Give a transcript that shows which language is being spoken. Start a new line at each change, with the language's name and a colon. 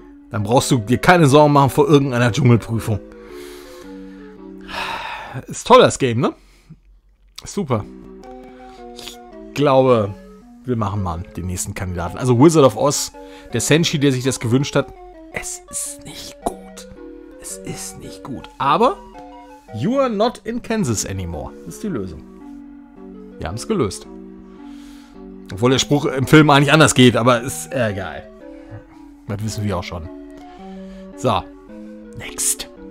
German: Dann brauchst du dir keine Sorgen machen vor irgendeiner Dschungelprüfung. Ist toll, das Game, ne? Super. Ich glaube, wir machen mal den nächsten Kandidaten. Also Wizard of Oz, der Senshi, der sich das gewünscht hat. Es ist nicht gut. Es ist nicht gut. Aber
English: you are not in Kansas anymore.
German: Das ist die Lösung. Wir haben es gelöst. Obwohl der Spruch im Film eigentlich anders geht, aber ist egal. Das wissen wir auch schon. So.
English: Next.